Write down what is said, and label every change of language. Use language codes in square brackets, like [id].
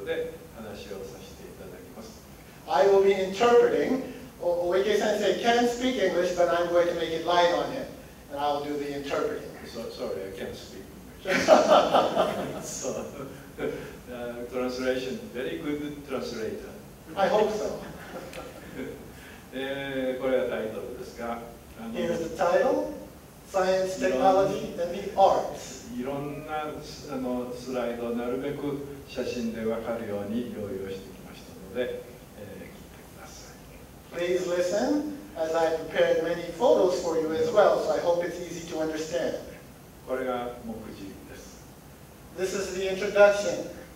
[ja] 今日は私は科学と技術と芸術とというタイトルで話をさせていただきます。 [en] I will be interpreting. Oike-sensei can speak English, but I'm going to make it light on him, and I will do the interpreting. So, sorry, I can't speak English. So, translation, very good translator. I hope so. [ja] これはタイトルですが、 [en] Here's the title. Science, technology, and the arts. [ja] いろんなあのスライドをなるべく写真でわかるように用意をしてきましたので、聞いてください。Please [en] listen as I prepared many photos for you as well, so I hope it's easy to understand. [ja] これが目次です。 [en] This is the introduction.